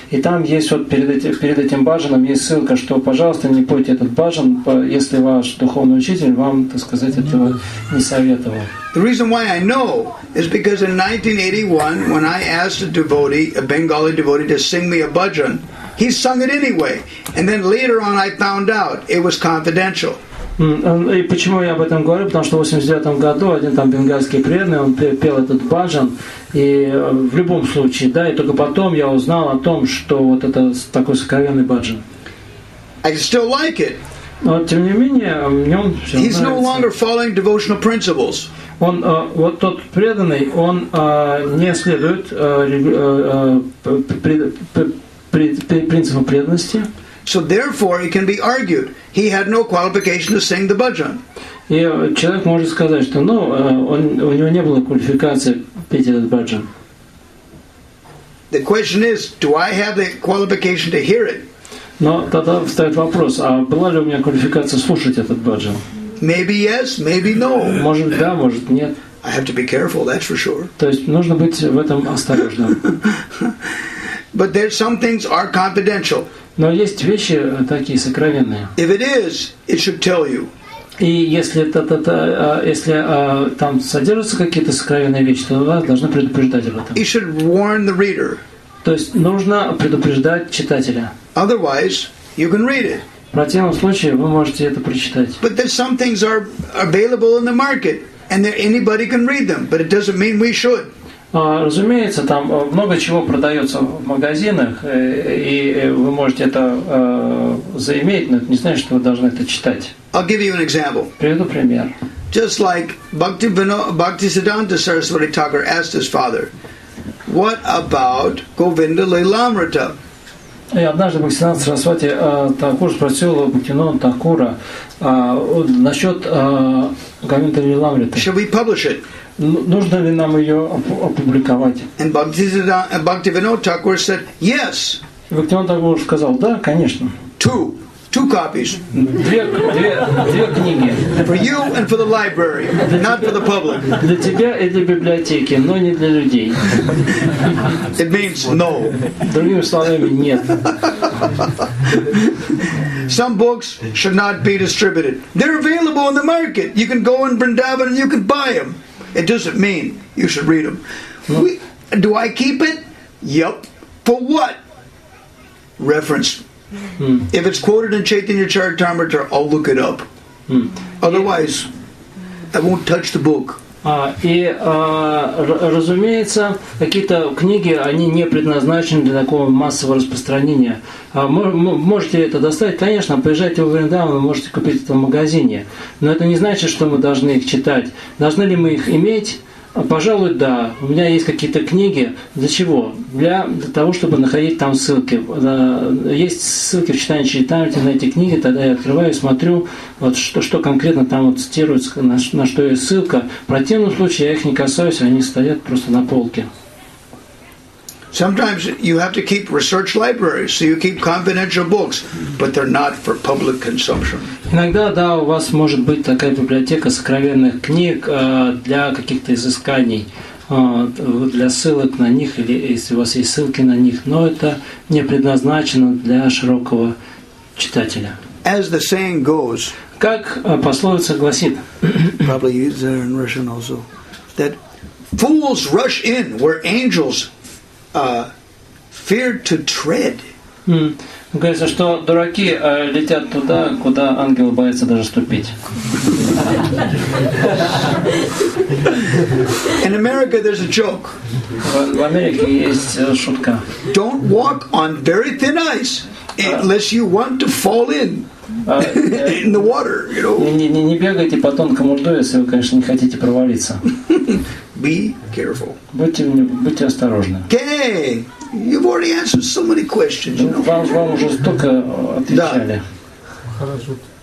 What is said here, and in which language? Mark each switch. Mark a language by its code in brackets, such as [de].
[ru] И там есть вот перед этим баджаном есть ссылка, что, пожалуйста, не пойте этот баджан, если ваш духовный учитель вам, так сказать, этого не советовал. [en] The reason why I know is because in 1981, when I asked a devotee, a Bengali devotee, to sing me a bhajan, he sung it anyway. And then later on, I found out it was confidential. [ru] И почему я об этом говорю? Потому что в 89 году один там бенгальский преданный, он пел этот баджан, и в любом случае, да, и только потом я узнал о том, что вот это такой сокровенный баджан. [en] I still like it. [ru] Но тем не менее, в нем все [en] He's no longer following devotional principles. [ru] Он вот тот преданный, он не следует принципам преданности. [en] So therefore, it can be argued he had no qualification to sing the bhajan. [ru] И человек может сказать, что, ну, он у него не было квалификации петь этот bhajan. [en] The question is, do I have the qualification to hear it? [ru] Но тогда встает вопрос, а была ли у меня квалификация слушать этот bhajan? [en] Maybe yes, maybe no. [ru] Может да, может нет. [en] I have to be careful, that's for sure. [ru] То есть нужно быть в этом осторожным. [en] But there's some things are confidential. [ru] Но есть вещи такие сокровенные. [en] If it is, it should tell you. [ru] И если там содержатся какие-то сокровенные вещи, то вас должны предупреждать об этом. [en] It should warn the reader. [ru] То есть нужно предупреждать читателя. [en] Otherwise, you can read it. [ru] В противном случае вы можете это прочитать. [en] But there's some things are available in the market, and that anybody can read them. But it doesn't mean we should. [ru] Разумеется, там много чего продается в магазинах, и вы можете это заиметь, но это не значит, что вы должны это читать. [en] I'll give you an example. [ru] Приведу пример. [en] Just like Bhaktisiddhanta Saraswati Thakur asked his father, what about Govinda Lilamrita? [ru] И однажды Бхактисиддханта Сарасвати Такур спросил Бхактинон Такура насчет Говинда Лиламриты. [en] Should we publish it? [ru] Нужно ли нам ее опубликовать? [en] And Бхактивинод Такур said, yes. [ru] Бхактинон Такур сказал, да, конечно. [en] Two copies. [ru] Две книги. [en] For you and for the library, not for the public. [ru] Для тебя и для библиотеки, но не для людей. [en] It means no. [ru] Другими словами, нет. [en] Some books should not be distributed. They're available on the market. You can go in Vrindavan and you can buy them. It doesn't mean you should read them. Do I keep it? Yep. For what? Reference. If it's quoted in Chaitanya Charitamrita, I'll look it up. Otherwise, I won't touch the book. [ru] Разумеется, какие-то книги, они не предназначены для такого массового распространения. Можете это достать, конечно, поезжайте в Вриндаван, можете купить это в магазине. Но это не значит, что мы должны их читать. Должны ли мы их иметь? Пожалуй, да. У меня есть какие-то книги. Для чего? Для того, чтобы находить там ссылки. Есть ссылки в читании Чайтанрити на эти книги, тогда я открываю и смотрю, вот что конкретно там вот цитируется, на что есть ссылка. В противном случае я их не касаюсь, они стоят просто на полке. [en] Sometimes you have to keep research libraries, so you keep confidential books, but they're not for public consumption. [ru] Иногда, да, у вас может быть такая библиотека сокровенных книг для каких-то изысканий, для ссылок на них, или если у вас есть ссылки на них, но это не предназначено для широкого читателя. [en] As the saying goes, [ru] как пословица гласит, [en] probably used there in Russian also, that fools rush in where angels fear to tread. [ru] Говорится, что дураки летят туда, куда ангел боится даже ступить. [en] In America there's a joke. [ru] В Америке есть шутка. [en] Don't walk on very thin ice unless you want to fall in. In the water, you know. [ru] Не бегайте по тонкому льду, если вы, конечно, не хотите провалиться. [en] Be careful. [ru] Будьте осторожны. [en] Okay, you've already answered so many questions. You know? [ru] Вам уже столько отвечали. Хорошо.